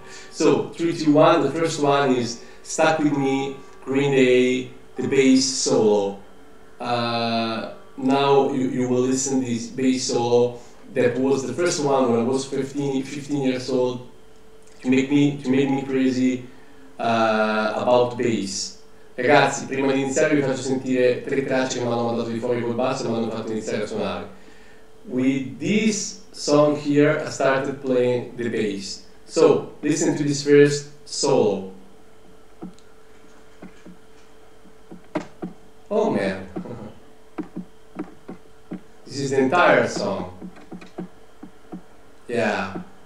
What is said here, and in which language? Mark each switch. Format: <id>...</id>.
<en>So, 3-2-1, the first one is Stuck With Me, Green Day, the bass solo. Now you will listen to this bass solo that was the first one when I was 15 years old. To make me crazy about bass.</en> <it>Ragazzi, prima di iniziare vi faccio sentire tre tracce che mi hanno mandato di fuori col basso e mi hanno fatto iniziare a suonare.</it> <en>With this song here I started playing the bass. So, listen to this first solo. Oh man. This is the entire song. Yeah.</en>